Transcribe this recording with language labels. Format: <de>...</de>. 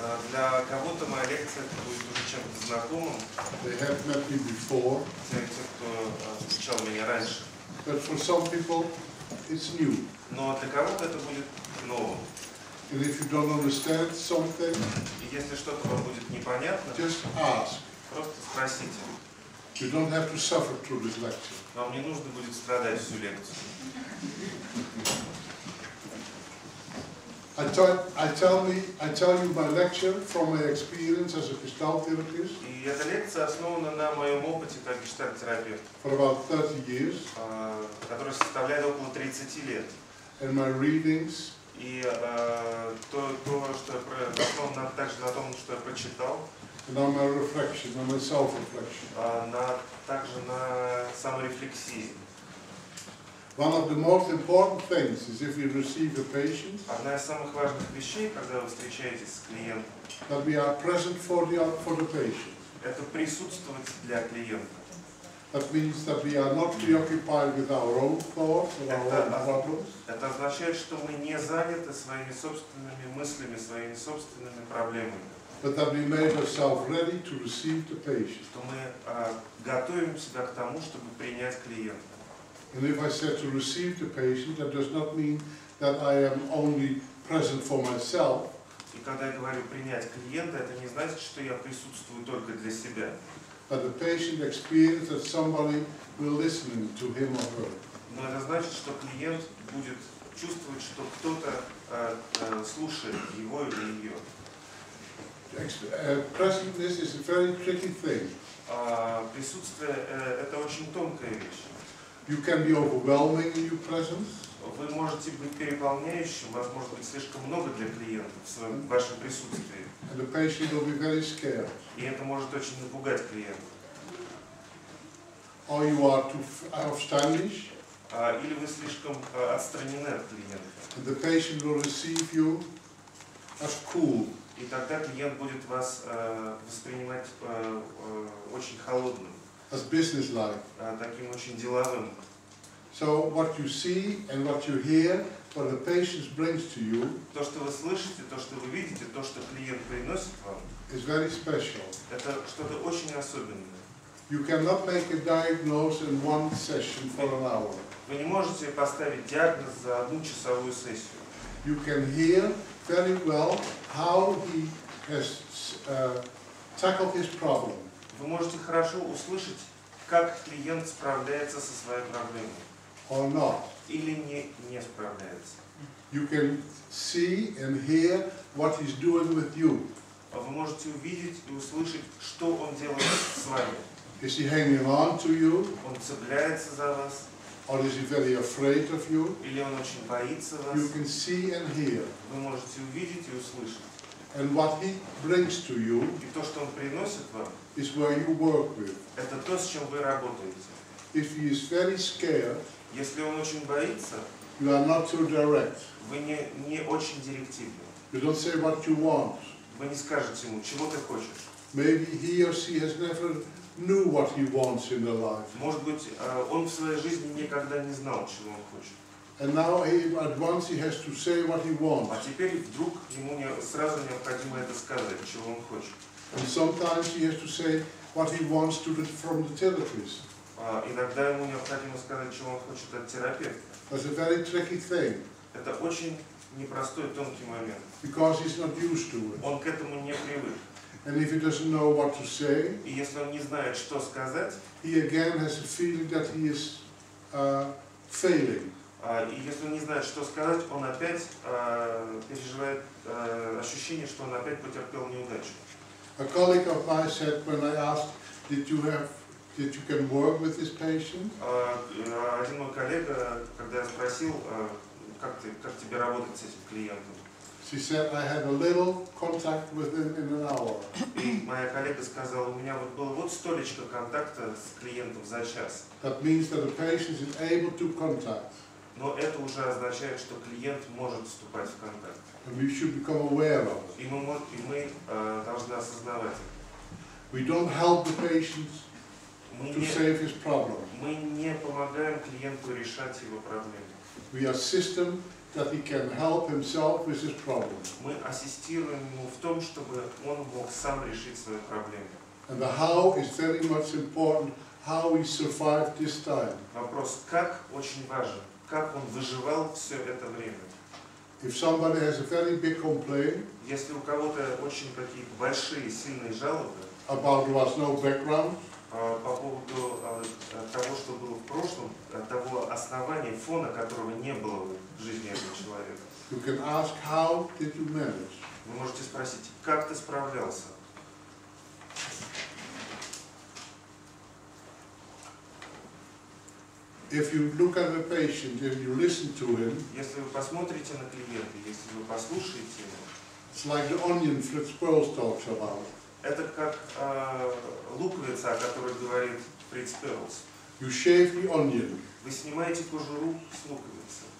<ru>Для кого-то моя лекция будет уже чем-то знакомым.</ru> <en>They have met me before.</en> <ru>Для тех, кто встречал меня раньше.</ru> <en>But for some people, it's new.</en> <ru>Но для кого-то это будет новым.</ru> <en>And if you don't understand something,</en> <ru>и если что-то вам будет непонятно,</ru> <en>just ask.</en> <ru>Просто спросите.</ru> <en>You don't have to suffer through this lecture.</en> <ru>Вам не нужно будет страдать всю лекцию.</ru> <en>I tell you my lecture from my experience as a Gestalt therapist.</en> <ru>И эта лекция основана на моем опыте как Gestalt терапевт.</ru> <en>For about 30 years.</en> <ru>Который составляет около 30 лет.</ru> <en>And my readings.</en> <ru>И то, что основано также на том, что я прочитал.</ru> <en>And on my reflection, on my self-reflection.</en> <ru>Также на саморефлексии.</ru> <en>One of the most important things is if you receive a patient.</en> <ru>Одна из самых важных вещей, когда вы встречаетесь с клиентом.</ru> <en>That we are present for the patient.</en> <ru>Это присутствовать для клиента.</ru> <en>That means that we are not preoccupied with our own thoughts or our own problems.</en> <ru>Это означает, что мы не заняты своими собственными мыслями, своими собственными проблемами.</ru> <en>But that we made ourselves ready to receive the patient.</en> <ru>Что мы готовим себя к тому, чтобы принять клиента.</ru> <en>And if I said to receive the patient, that does not mean that I am only present for myself.</en> <ru>И когда я говорю принять клиента, это не значит, что я присутствую только для себя.</ru> <en>But the patient experiences that somebody will listen to him or her.</en> <ru>Но это значит, что клиент будет чувствовать, что кто-то слушает его или ее.</ru> <en>Presentness is a very tricky thing.</en> <ru>Присутствие это очень тонкая вещь.</ru> <en>You can be overwhelming in your presence.</en> <ru>Вы можете быть переполняющим, вас может быть слишком много для клиента в вашем присутствии.</ru> <en>And the patient will be very scared.</en> <ru>И это может очень напугать клиента.</ru> <en>Or you are too outstanding.</en> <ru>Или вы слишком отстранены от клиента.</ru> <en>And the patient will receive you as cool.</en> <ru>И тогда клиент будет вас воспринимать очень холодным.</ru> <en>As business-like.</en> <ru>Таким очень деловым.</ru> <en>So what you see and what you hear, what the patient brings to you.</en> <ru>То, что вы слышите, то, что вы видите, то, что клиент приносит вам.</ru> <en>Is very special.</en> <ru>Это что-то очень особенное.</ru> <en>You cannot make a diagnosis in one session for an hour.</en> <ru>Вы не можете поставить диагноз за одну часовую сессию.</ru> <en>You can hear very well how he has tackled his problem.</en> <ru>Вы можете хорошо услышать, как клиент справляется со своей проблемой.</ru> <en>Or not.</en> <ru>Или не справляется.</ru> <en>You can see and hear what he's doing with you.</en> <ru>Вы можете увидеть и услышать, что он делает с вами.</ru> <en>Is he hanging on to you?</en> <ru>Он цепляется за вас.</ru> <en>Or is he very afraid of you?</en> <ru>Или он очень боится вас.</ru> <en>You can see and hear.</en> <ru>Вы можете увидеть и услышать.</ru> <en>And what he brings to you.</en> <ru>И то, что он приносит вам.</ru> <en>Is where you work with.</en> <ru>Это то, с чем вы работаете.</ru> <en>If he is very scared,</en> <ru>если он очень боится,</ru> <en>you are not too direct.</en> <ru>Вы не очень директивны.</ru> <en>You don't say what you want.</en> <ru>Вы не скажете ему, чего ты хочешь.</ru> <en>Maybe he or she has never knew what he wants in their life.</en> <ru>Может быть, он в своей жизни никогда не знал, чего он хочет.</ru> <en>And now he at once he has to say what he wants.</en> <ru>А теперь вдруг ему сразу необходимо это сказать, чего он хочет.</ru> <en>And sometimes he has to say what he wants to from the therapist.</en> <ru>Иногда ему необходимо сказать, чего он хочет от терапевта.</ru> <en>That's a very tricky thing.</en> <ru>Это очень непростой, тонкий момент.</ru> <en>Because he's not used to it.</en> <ru>Он к этому не привык.</ru> <en>And if he doesn't know what to say,</en> <ru>и если он не знает, что сказать,</ru> <en>he again has a feeling that he is failing.</en> <ru>И если он не знает, что сказать, он опять переживает ощущение, что он опять потерпел неудачу.</ru> <en>A colleague of mine said when I asked, did you can work with this patient?</en> <ru>Один мой коллега, когда я спросил, как тебе работать с этим клиентом?</ru> <en>She said I had a little contact with him in an hour.</en> <ru>И моя коллега сказала, у меня вот было вот столечко контакта с клиентом за час.</ru> <en>That means that the patient is able to contact.</en> <ru>Но это уже означает, что клиент может вступать в контакт.</ru> <en>And we should become aware of it.</en> <ru>И мы должны осознавать это.</ru> <en>We don't help the patient to save his problem.</en> <ru>Мы не помогаем клиенту решать его проблемы.</ru> <en>We are system that he can help himself with his problem.</en> <ru>Мы ассистируем ему в том, чтобы он мог сам решить свою проблему.</ru> <en>And the how is very much important, how he survived this time.</en> <ru>Вопрос как очень важен, как он выживал все это время.</ru> <en>If somebody has a very big complaint,</en> <ru>если у кого-то очень какие-то большие сильные жалобы,</ru> <en>about what's no background,</en> <ru>по поводу того, что было в прошлом, того основания, фона, которого не было в жизни этого человека.</ru> <en>You can ask, how did you manage?</en> <ru>Вы можете спросить, как ты справлялся?</ru> <en>If you look at the patient, if you listen to him,</en> <ru>если вы посмотрите на клиента, если вы послушаете его,</ru> <en>it's like the onion Fritz Perls talks about.</en> <ru>Это как луковица, о которой говорит Фриц Перлс.</ru> <en>You shave the onion.</en> <ru>Вы снимаете кожуру с луковицы.</ru>